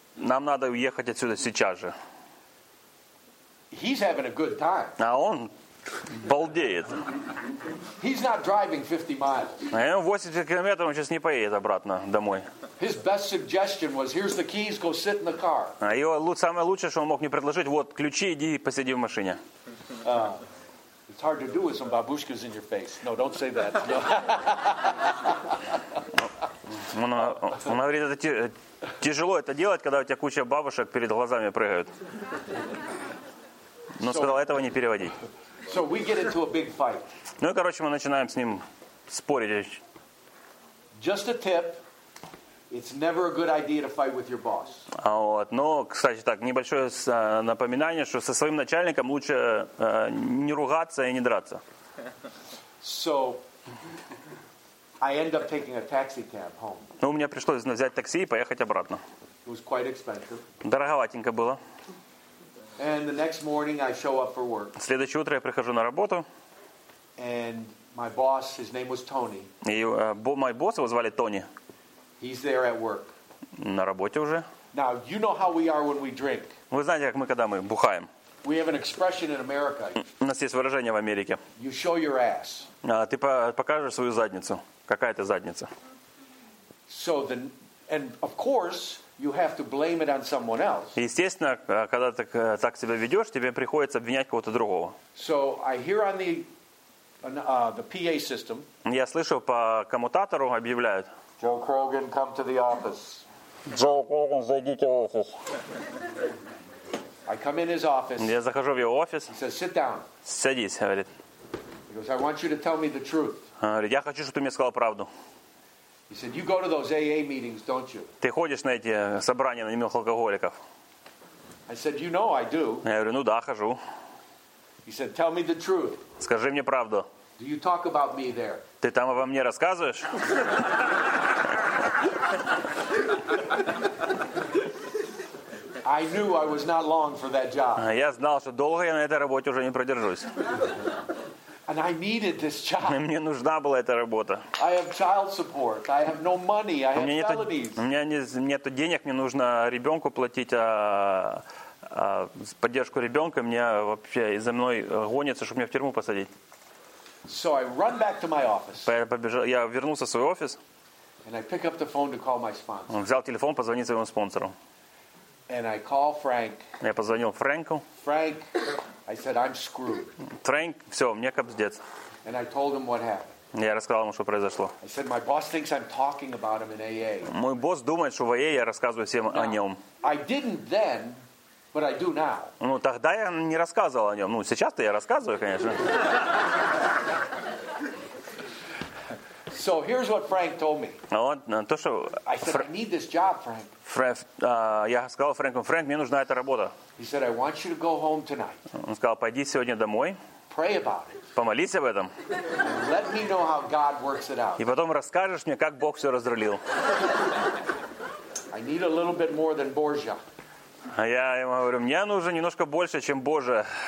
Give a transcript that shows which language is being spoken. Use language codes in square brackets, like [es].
[ru] Нам надо уехать отсюда сейчас же. [en] He's having a good time. [ru] А он Балдеет. [en] He's not driving 50 miles. [ru] А ему 80 километров, он сейчас не поедет обратно домой. [en] His best suggestion was, here's the keys, go sit in the car. [ru] А его самое лучшее, что он мог мне предложить, вот ключи, иди посиди в машине. [en] It's hard to do with some babushkas in your face. No, don't say that. No. [ru] Он говорит, это тяжело это делать, когда у тебя куча бабушек перед глазами прыгают. Но сказал, этого не переводить. [en] So we get into a big fight. [ru] Ну и, короче, мы начинаем с ним спорить. [en] Just a tip. It's never a good idea to fight with your boss. [ru] А вот, ну, кстати, так, небольшое напоминание, что со своим начальником лучше не ругаться и не драться. [en] So I end up taking a taxi cab home. [ru] Ну, мне пришлось взять такси и поехать обратно. [en] It was quite expensive. [ru] Дороговатенько было. [en] And the next morning I show up for work. [ru] Следующее утро я прихожу на работу. [en] And my boss, his name was Tony. [ru] И мой босс, его звали Тони. [en] He's there at work. [ru] На работе уже. [en] Now you know how we are when we drink. [ru] Вы знаете, как мы, когда мы бухаем. [en] We have an expression in America. [ru] У нас есть выражение в Америке. [en] You show your ass. [ru] Ты покажешь свою задницу. Какая это задница? [en] So then, and of course, you have to blame it on someone else. [ru] Естественно, когда ты так себя ведешь, тебе приходится обвинять кого-то другого. [en] So I hear on the PA system. [ru] Я слышу по коммутатору объявляют. [en] Joe Krogan, come to the office. [ru] Joe Krogan, зайдите в офис. [en] I come in his office. [ru] Я захожу в его офис. [en] He says, sit down. [ru] Садись, говорит. [en] He goes, I want you to tell me the truth. [ru] Говорит, я хочу, чтобы ты мне сказал правду. [en] He said, you go to those AA meetings, don't you? [ru] Ты ходишь на эти собрания анонимных алкоголиков? [en] I said, you know I do. [ru] Я говорю, ну да, хожу. [en] He said, tell me the truth. [ru] Скажи мне правду. [en] Do you talk about me there? [ru] Ты там обо мне рассказываешь? [en] I knew I was not long for that job. [ru] Я знал, что долго я на этой работе уже не продержусь. [en] And I needed this job. [ru] Мне нужна была эта работа. [en] I have child support. I have no money. I have felonies. [ru] У меня нету денег, мне нужно ребенку платить, а поддержку ребенка мне вообще за мной гонится, чтобы меня в тюрьму посадить. [en] So I run back to my office. [ru] Я вернулся в свой офис. [en] And I pick up the phone to call my sponsor. [ru] Взял телефон, позвонить своему спонсору. [en] And I call Frank. [ru] Я позвонил Фрэнку. [en] Frank, I said, I'm screwed. [ru] Frank, все, мне кобздец. [en] And I told him what happened. [ru] Я рассказал ему, что произошло. [en] I said, my boss thinks I'm talking about him in AA. [ru] Мой босс думает, что в AA я рассказываю всем о нем. [en] I didn't then. But I do now. [ru] Ну, тогда я не рассказывал о нем. Ну, сейчас-то я рассказываю, конечно. [en] So here's what Frank told me. [ru] То, что... [en] I said, I need this job, Frank. [ru] Я сказал Фрэнку, Фрэнк, мне нужна эта работа. [en] He said, I want you to go home tonight. [ru] Он сказал, пойди сегодня домой. [en] Pray about it. [ru] Помолись об этом. [en] Let me know how God works it out. [ru] И потом расскажешь мне, как Бог все разрулил. [en] I need a little bit more than Borgia. [ru] А я ему говорю, мне нужно немножко больше, чем Боже.